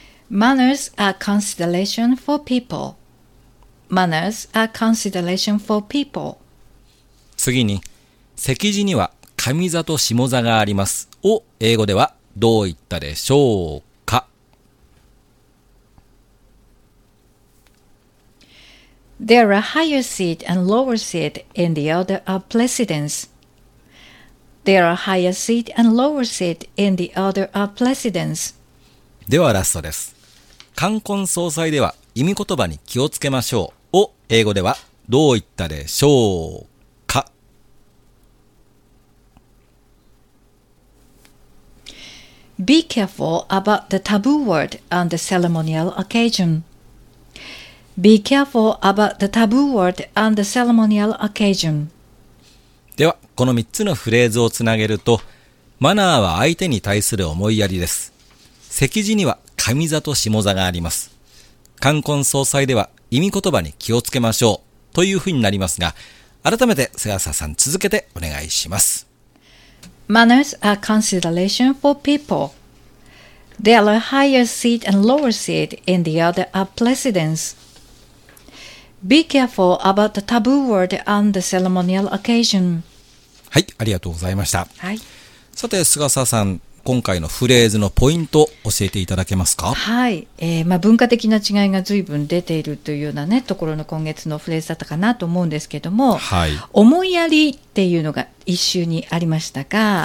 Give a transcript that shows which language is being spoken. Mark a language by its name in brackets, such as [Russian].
[English] Manners are consideration for people. Manners are consideration for people. [Japanese] 次に、席次には上座と下座がありますを英語ではどう言ったでしょうか？ [English] There are higher seat and lower seat in the order of precedence. There are higher seat and lower seat in the order of precedence. [Japanese] ではラストです。冠婚葬祭では意味言葉に気をつけましょうを英語ではどう言ったでしょうか？ [English] Be careful about the taboo word on the ceremonial occasion. Be careful about the taboo word on the ceremonial occasion. [Japanese] ではこの3つのフレーズをつなげると、マナーは相手に対する思いやりです、席次には上座と下座があります、冠婚葬祭では意味言葉に気をつけましょうというふうになりますが、改めて菅沢さん続けてお願いします。 [English] Manners are consideration for people. There are higher seat and lower seat in the order of precedence. Be careful about the taboo word on the ceremonial occasion. [Japanese] はい、ありがとうございました。はい、さて菅沢さん、今回のフレーズのポイントを教えていただけますか？はい、文化的な違いが随分出ているというようなね、ところの今月のフレーズだったかなと思うんですけども、はい、思いやりっていうのが一周にありましたが、